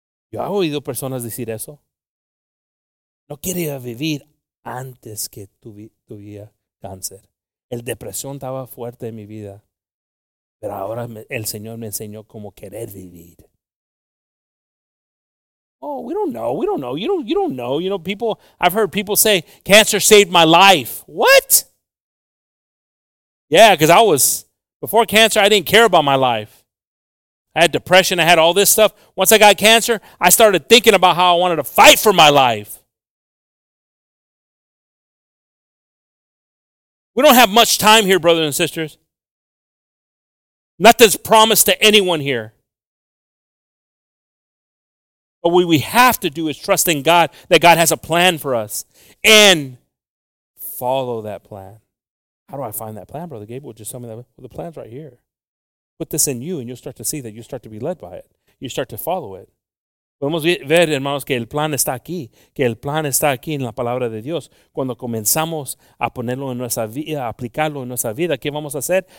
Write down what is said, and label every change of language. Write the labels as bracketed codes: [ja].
[es] Yo he oído personas decir eso. No quería vivir antes que tuviera cáncer. La depresión estaba fuerte en mi vida. Pero ahora el Señor me enseñó cómo querer vivir. [en] Oh, we don't know. You don't know. You know, people, I've heard people say, cancer saved my life. What? Yeah, because I was, before cancer, I didn't care about my life. I had depression. I had all this stuff. Once I got cancer, I started thinking about how I wanted to fight for my life. We don't have much time here, brothers and sisters. Nothing's promised to anyone here. But what we have to do is trust in God, that God has a plan for us, and follow that plan. How do I find that plan, Brother Gabriel? Just tell me that. Well, the plan's right here. Put this in you, and you'll start to see that you start to be led by it. You start to follow it. [es] Podemos ver, hermanos, que el plan está aquí. Que el plan está aquí en la palabra de Dios. Cuando comenzamos a ponerlo en nuestra vida, a aplicarlo en nuestra vida, ¿qué vamos a hacer?